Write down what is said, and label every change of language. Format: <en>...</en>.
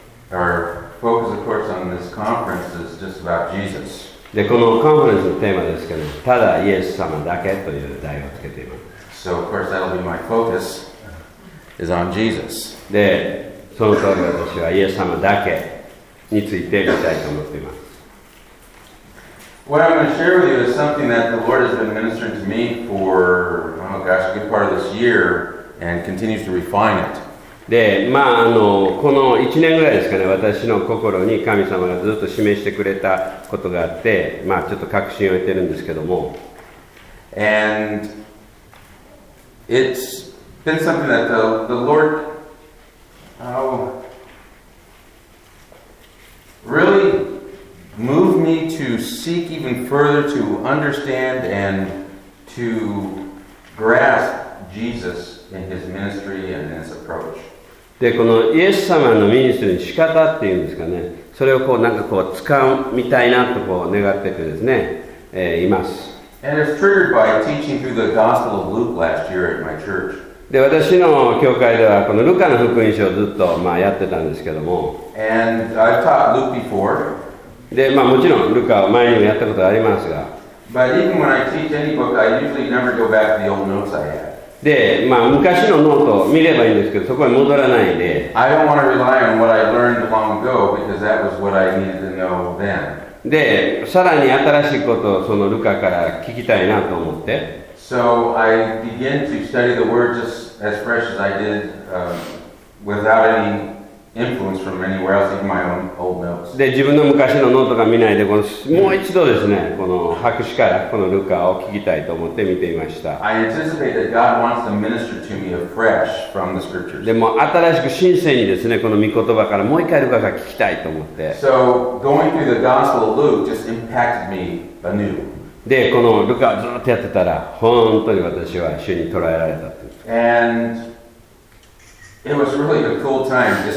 <en>Our focus, of course, on this conference is just about Jesus.</en> <ja>で、このカンファレンスのテーマですけど、ただイエス様だけという題をつけています。</ja> <en>So, of course, that'll be my focus is on Jesus.</en> <ja>で、そのとおり私はイエス様だけについて見たいと思っています。</ja> <en>What I'm going to share with you is something that the Lord has been ministering to me for, oh gosh, a good part of this year and continues to refine it.</en> <ja>で、まあ、この1年ぐらいですかね、私の心に神様がずっと示してくれたことがあって、まあ、ちょっと確信を得てるんですけども。</ja> <en>And it's been something that the Lord really moved me to seek even further to understand and to grasp Jesus in his ministry and his approach.</en> <ja>でこのイエス様のミニストリーの仕方っていうんですかね、それをこうなんかこう掴みたいなとこう願っててですね、います。</ja> <en>And it's triggered by teaching through the Gospel of Luke last year at my church.</en> <ja>で私の教会ではこのルカの福音書をずっとまあやってたんですけども。</ja> <en>And I've taught Luke before.</en> <ja>でまあもちろんルカは前にもやったことがありますが。</ja> <en>But even when I teach any book, I usually never go back to the old notes I had.</en> <ja>でまあ、昔のノートを見ればいいんですけど、そこは戻らないで。</ja> <en>I don't want to rely on what I learned long ago because that was what I needed to know then.</en> <ja>で、さらに新しいことをそのルカから聞きたいなと思って。</ja> <en>So I began to study the word just as fresh as I did without any influence from anywhere else, even my own old notes.</en> <ja>で、自分の昔のノートが見ないで、このもう一度ですね、この博士からこのルカを聞きたいと思って見ていました。</ja> <en>I anticipate that God wants to minister to me afresh from the scriptures.</en> <ja>でも新しく新鮮にですね、この御言葉からもう一回ルカが聞きたいと思って。</ja> <en>So going through the Gospel of Luke just impacted me anew.</en> <ja>で、このルカをずっとやってたら、本当に私は主に捉えられたと。</ja> <en>And it was really a cool time.</en>